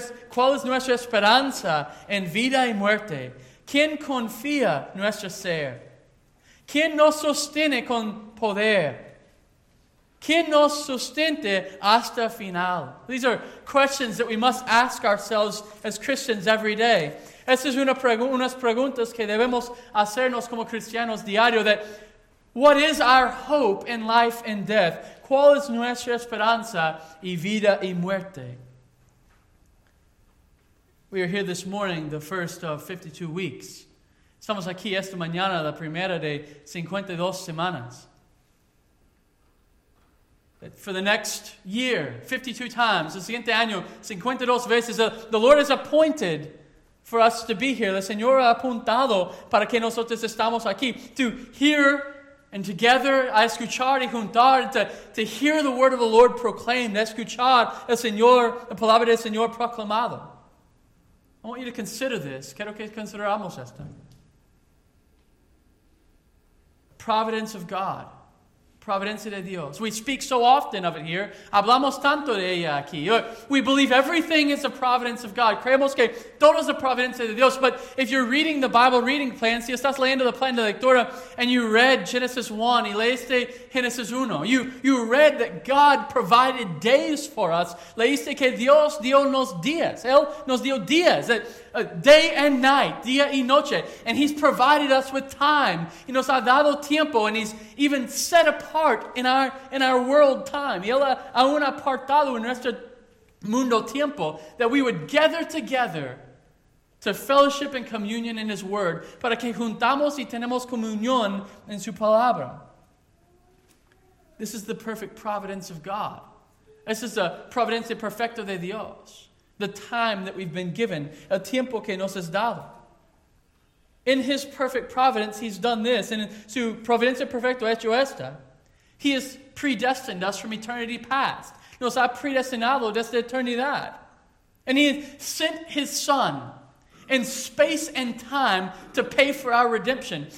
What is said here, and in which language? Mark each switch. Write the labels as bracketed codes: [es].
[es] ¿Cuál es nuestra esperanza en vida y muerte? ¿Quién confía nuestro ser? ¿Quién nos sostiene con poder? ¿Quién nos sustente hasta final? [en] These are questions that we must ask ourselves as Christians every day. [es] Estas son unas preguntas que debemos hacernos como cristianos diario. [en] That what is our hope in life and death? [es] ¿Cuál es nuestra esperanza y vida y muerte? [en] We are here this morning, the first of 52 weeks. [es] Estamos aquí esta mañana, la primera de 52 semanas. [en] For the next year, 52 times, [es] el siguiente año, 52 veces, [en] the Lord has appointed for us to be here. [es] El Señor ha apuntado para que nosotros estamos aquí. [en] To hear and together, [es] a escuchar y juntar, [en] to hear the word of the Lord proclaimed, [es] escuchar el Señor, la palabra del Señor proclamado. [en] I want you to consider this. [es] Quiero que consideramos esto. [en] Providence of God. [es] Providencia de Dios. [en] We speak so often of it here. [es] Hablamos tanto de ella aquí. [en] We believe everything is the providence of God. [es] Creemos que todo es la providencia de Dios. [en] But if you're reading the Bible reading plan, [es] si estás leyendo el plan de lectura, [en] and you read Genesis 1, [es] y leíste Genesis 1, [en] you read that God provided days for us. [es] Leíste que Dios dio nos días. Él nos dio días. [en] Day and night, [es] día y noche. [en] And he's provided us with time. He [es] nos ha dado tiempo, [en] and he's even set apart in our world time. [es] Y él ha aún apartado en nuestro mundo tiempo [en] that we would gather together to fellowship and communion in his word [es] para que juntamos y tenemos comunión en su palabra. [en] This is the perfect providence of God. This is the [es] providencia perfecta de Dios. [en] The time that we've been given, [es] el tiempo que nos es dado. [en] In his perfect providence, he's done this. And in [es] su providencia perfecta, hecho esta. [en] He has predestined us from eternity past. [es] Nos ha predestinado desde eternidad. [en] And he has sent his son in space and time to pay for our redemption.